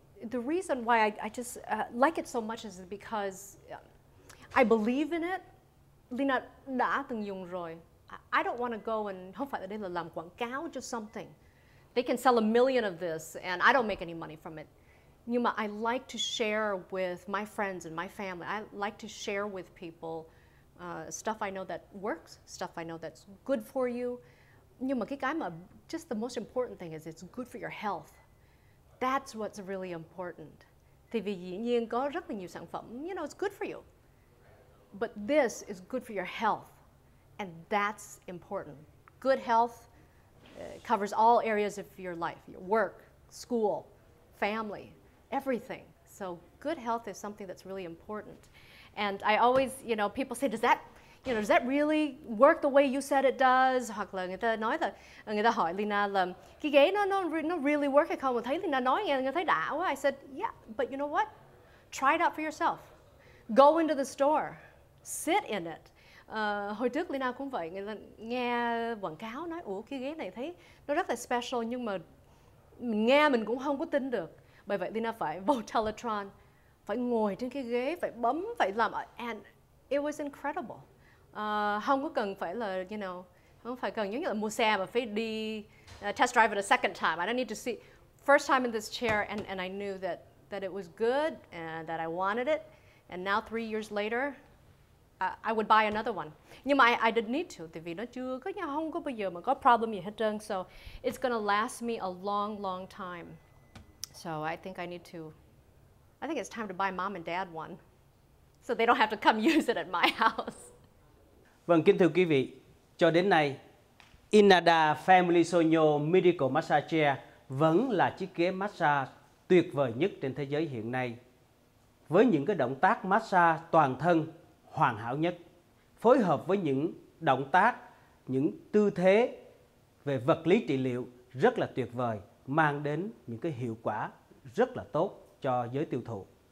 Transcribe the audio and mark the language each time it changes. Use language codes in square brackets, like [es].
[en] The reason why I just like it so much is because I believe in it. [vi] Lina đã từng dùng rồi. [en] I don't want to go and, [vi] không phải là đây là làm quảng cáo cho something. [en] They can sell a million of this and I don't make any money from it. [vi] Nhưng mà [en] I like to share with my friends and my family. I like to share with people stuff I know that works, stuff I know that's good for you. [vi] Nhưng mà [en] just the most important thing is it's good for your health. That's what's really important. [vi] Thì vì dĩ nhiên có rất là nhiều sản phẩm, [en] you know, it's good for you. But this is good for your health, and that's important. Good health covers all areas of your life, your work, school, family, everything. So good health is something that's really important. And I always, you know, people say, does that really work the way you said it does? [vi] Hoặc là người ta hỏi Lina là cái ghế nó [en] really work [vi] hay không? Mình thấy Lina nói người thấy đã quá. [en] I said, yeah, but you know what? Try it out for yourself. Go into the store. Sit in it. [vi] Hồi trước Lina cũng vậy, nghe quảng cáo nói ủa cái ghế này thấy nó rất là special, nhưng mà mình nghe mình cũng không có tin được. Bởi vậy Lina phải vô Teletron, phải ngồi trên cái ghế, phải bấm, phải làm, [en] and it was incredible. [vi] Không có cần phải là, [en] you know, [vi] Không phải cần, giống như là mua xe mà phải đi [en] test drive it a second time. I don't need to see first time in this chair and I knew that it was good and that I wanted it. And now 3 years later, I would buy another one. [vi] Nhưng mà [en] I didn't need to, [vi] tại vì nó chưa có nhà, không có bao giờ mà có problem gì hết trơn. [en] So it's gonna last me a long, long time. So I think it's time to buy mom and dad one, so they don't have to come use it at my house. [vi] Vâng, kính thưa quý vị, cho đến nay, Inada Family Sonyo Medical Massage Chair vẫn là chiếc ghế massage tuyệt vời nhất trên thế giới hiện nay. Với những cái động tác massage toàn thân hoàn hảo nhất, phối hợp với những động tác, những tư thế về vật lý trị liệu rất là tuyệt vời, mang đến những cái hiệu quả rất là tốt cho giới tiêu thụ.